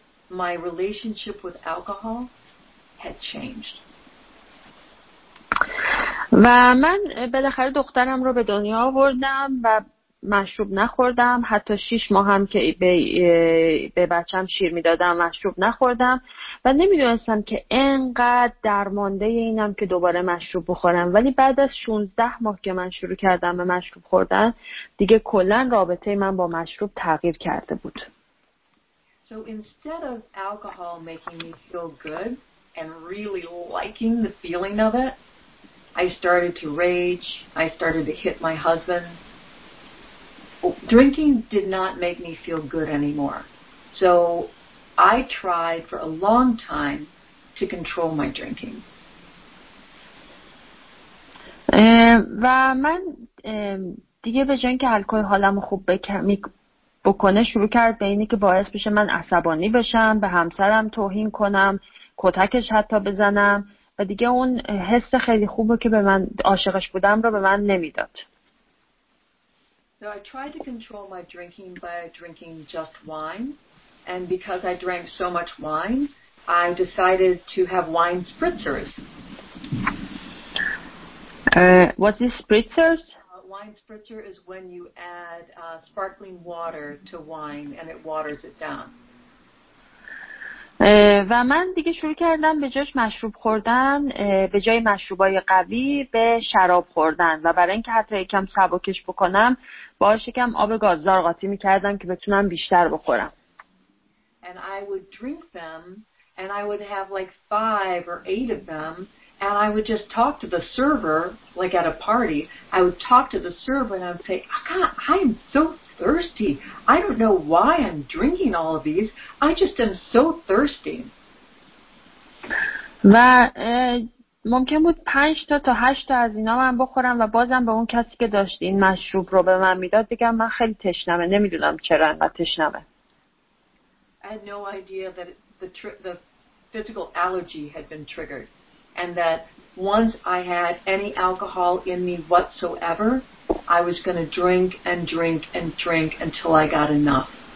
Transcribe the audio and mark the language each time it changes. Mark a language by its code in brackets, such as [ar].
[en] my relationship with alcohol had changed. [fa] و من بالاخره دخترم رو به دنیا آوردم و مشروب نخوردم، حتی 6 ماه هم که به بچم شیر میدادم مشروب نخوردم و نمیدونستم که انقدر درمانده اینم که دوباره مشروب بخورم، ولی بعد از 16 ماه که من شروع کردم به مشروب خوردن دیگه کلن رابطه من با مشروب تغییر کرده بود. [en] So instead of alcohol making me feel good and really liking the feeling of it, I started to rage, I started to hit my husband. Drinking did not make me feel good anymore. So I tried for a long time to control my drinking. [fa] و من دیگه به جای اینکه الکل حالمو خوب بکنه شروع کرد به اینی که باعث بشه من عصبانی بشم، به همسرم توهین کنم، کتکش حتی بزنم و دیگه اون حس خیلی خوبه که به من عاشقش بودم رو به من نمیداد. [en] So I tried to control my drinking by drinking just wine. And because I drank so much wine, I decided to have wine spritzers. What is spritzers? Wine spritzer is when you add sparkling water to wine and it waters it down. [fa] و من دیگه شروع کردم به جاش مشروب خوردن، به جای مشروبای قوی به شراب خوردن و برای اینکه حتی یکم سبکش بکنم باهاش یکم آب گازدار قاطی می‌کردم که بتونم بیشتر بخورم. [en] And I would drink them and I would have like 5 or 8 of them and I would just talk to the server like at a party. I would talk to the server and I would say, I'm so thirsty. I don't know why I'm drinking all of these. I just am so thirsty. [fa] و ممکن بود 5 تا 8 تا از اینا من بخورم و بازم به اون کسی که داشت این مشروب رو به من میداد بگم من خیلی تشنمه، نمیدونم چرا انقدر تشنمه. [en] I had no idea that the physical allergy had been triggered and that once I had any alcohol in me whatsoever, I was going to drink and drink and drink until I got enough.